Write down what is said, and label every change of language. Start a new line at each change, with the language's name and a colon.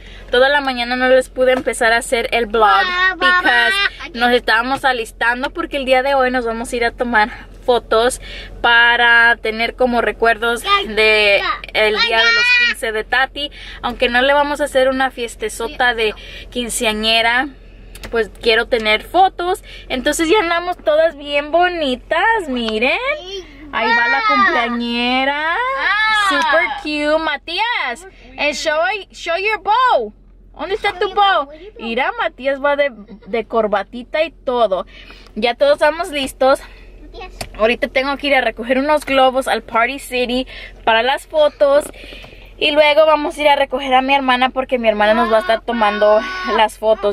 Spanish: Toda la mañana no les pude empezar a hacer el vlog porque nos estábamos alistando, porque el día de hoy nos vamos a ir a tomar fotos para tener como recuerdos de el día de los 15 de Tati, aunque no le vamos a hacer una fiestezota de quinceañera, pues quiero tener fotos. Entonces ya andamos todas bien bonitas, miren, ahí va la cumpleañera,
English: super cute. Matías, and show your bow.
Spanish: ¿Dónde está tu bow? Mira, Matías va de corbatita y todo. Ya todos estamos listos. Ahorita tengo que ir a recoger unos globos al Party City para las fotos. Y luego vamos a ir a recoger a mi hermana porque mi hermana nos va a estar tomando las fotos.